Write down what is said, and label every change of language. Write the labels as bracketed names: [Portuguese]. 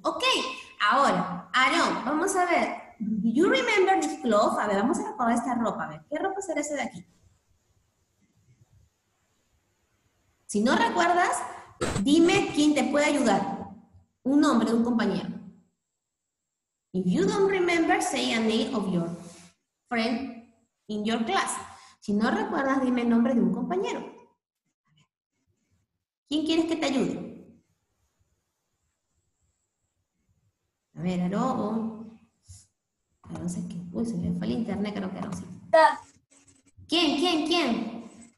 [English] Ok, [Spanish] ahora, [English] Aarón, [Spanish] vamos a ver. [English] Do you remember this cloth? [Spanish] A ver, vamos a recordar esta ropa. A ver, ¿qué ropa será ese de aquí? Si no recuerdas, dime quién te puede ayudar. Un nombre de un compañero. [English] If you don't remember, say a name of your friend in your class. [Spanish] Si no recuerdas, dime el nombre de un compañero. ¿Quién quieres que te ayude? A ver, Aarón. Aarón sé qué. Uy, se me fue el internet, creo que Aarón sí. ¿Quién?